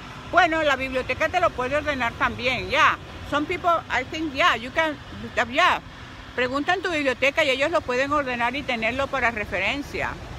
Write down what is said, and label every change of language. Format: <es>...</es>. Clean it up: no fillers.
<es>Bueno, la biblioteca te lo puede ordenar también, ya.</es> <en>Yeah. Some people, I think, yeah, you can, yeah.</en> <es>Pregunta en tu biblioteca y ellos lo pueden ordenar y tenerlo para referencia.</es>